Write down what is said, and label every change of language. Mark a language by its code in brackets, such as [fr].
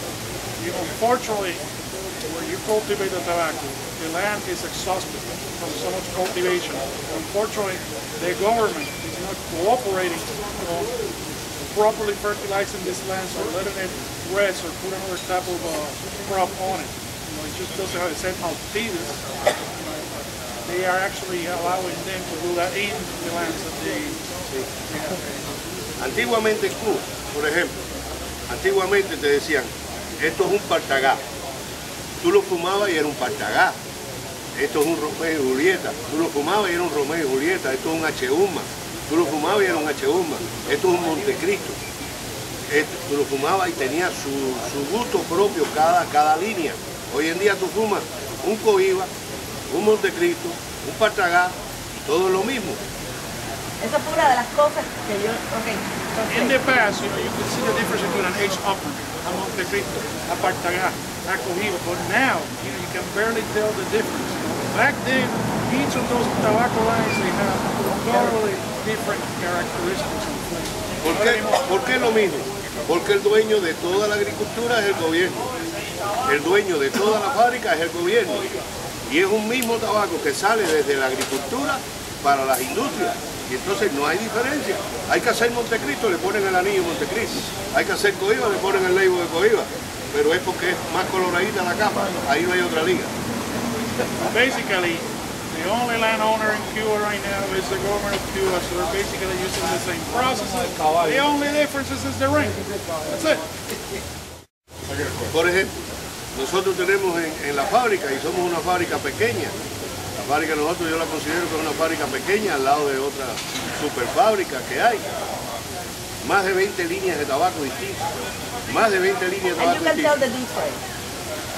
[en] Unfortunately, when you cultivate the tobacco, the land is exhausted from so much cultivation. Unfortunately, the government is not cooperating on properly fertilizing this land or letting it rest or put another type of crop on it. You know, it just doesn't have the same altitude. They are actually allowing them to do that in the lands that they. [es] Antiguamente en Cuba, por ejemplo, antiguamente te decían, esto es un partagá. Tú lo fumabas y era un partagá. Esto es un Romeo y Julieta. Tú lo fumabas y era un Romeo y Julieta. Esto es un H-Uma. Tú lo fumabas y era un H-Uma. Esto es un Montecristo. Tú lo fumabas y tenía su gusto propio cada línea. Hoy en día tú fumas un Cohiba, un Montecristo, un partagá, todo es lo mismo. [en] Okay. In the past, you know, you could see the difference between an H upper, a Monte Cristo, a Partagá, a Cohiba, but now, you know, you can barely tell the difference. Back then, each of those tobacco lines, they have totally different characteristics. [es] ¿Por qué lo mismo? Porque el dueño de toda la agricultura es el gobierno. El dueño de toda la fábrica es el gobierno. Y es un mismo tabaco que sale desde la agricultura para las industrias. Y entonces no hay diferencia. Hay que hacer Montecristo, le ponen el anillo Montecristo. Hay que hacer Cohiba, le ponen el label de Cohiba. Pero es porque es más coloradita la capa. Ahí no hay otra liga. [en] Basically, the The only landowner in Cuba right now is the government of Cuba, so they're basically using the same processes. The only difference is the rain. That's it. [es] Por ejemplo, nosotros tenemos en la fábrica, y somos una fábrica pequeña. La fábrica nosotros yo la considero que es una fábrica pequeña al lado de otra super fábrica que hay. Más de 20 líneas de tabaco distintas. Más de 20 líneas de tabaco distintas.